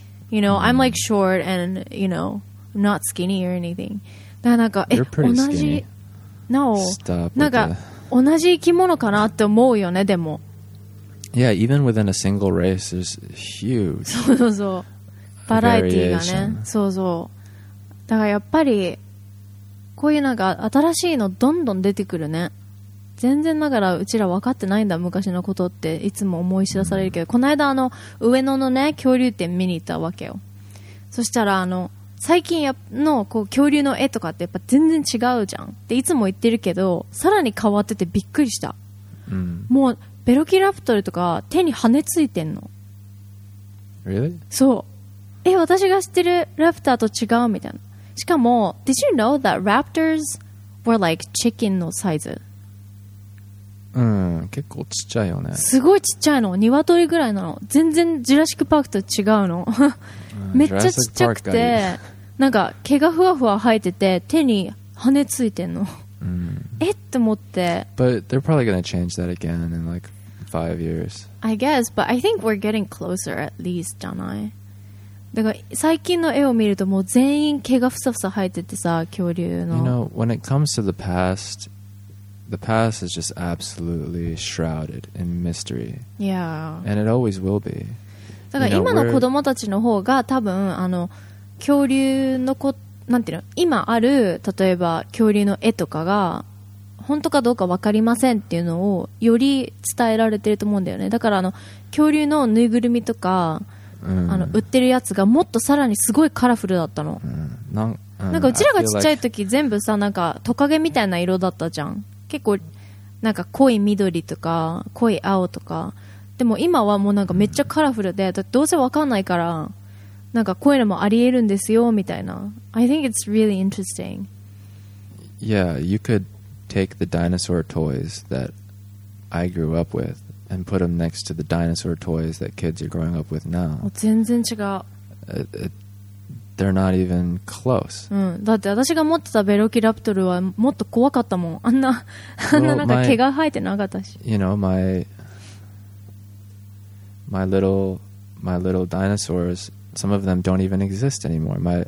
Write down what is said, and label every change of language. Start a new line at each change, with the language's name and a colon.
English: You know, I'm like short and you know not skinny or anything.
Japanese: だからなんか同じ。
English: No, Stop
Japanese: なんか同じ生き物かなって思うよね、でも。
English: Yeah, even within a single race, there's huge
Japanese: そうそうそう。バラエティーがね。そうそう。だからやっぱり、こういうなんか新しいのどんどん出てくるね。全然だからうちら分かってないんだ、昔のことっていつも思い知らされるけど、この間上野のね、恐竜展見に行ったわけよ。そしたら最近のこう恐竜の絵とかってやっぱ全然違うじゃんっていつも言ってるけど、さらに変わっててびっくりした、うん、もうベロキラプトルとか手に羽ついてんの。
English: Really?
Japanese: そう、え、私が知ってるラプターと違うみたいな。しかも
English: Did you know that raptors were like chicken
Japanese: のサイズ。うん、結構ちっちゃいよね。すごいちっちゃいの、鶏ぐらいなの。全然ジュラシックパークと違うのめっちゃちっちゃくて、なんか毛がふわふわ生えてて手に羽ついてんの、うん、えって思って。
English: But they're probably gonna change that again in like 5 years, I guess, but I think we're getting closer at least
Japanese: じゃない。だから最近の絵を見るともう全員毛がふさふさ生えててさ、恐竜の。
English: You know, when it comes to the past is just absolutely shrouded in mystery. Yeah. And it always will be.
Japanese: だから今の子供たちの方が多分恐竜のこ、なんていうの、今ある例えば恐竜の絵とかが本当かどうか分かりませんっていうのをより伝えられてると思うんだよね。だから恐竜のぬいぐるみとか、うん、売ってるやつがもっとさらにすごいカラフルだったの、うん、なんかうちらがちっちゃい時全部さ、なんかトカゲみたいな色だったじゃん。結構なんか濃い緑とか濃い青とか。でも今はもうなんかめっちゃカラフルで、だってどうせわかんないから、なんかこういうのもありえるんですよみたいな。
English: I think it's really interesting. Yeah, you could take the dinosaur toys that I grew up with and put them next to the dinosaur toys that kids are growing up with now.
Japanese: 全然違う。
English: They're not even close.
Japanese: うん、だって私が持ってたベロキラプトルはもっと怖かったもん。あんななんか毛が生えてなかったし。
English: You know, my little dinosaurs, some of them don't even exist anymore.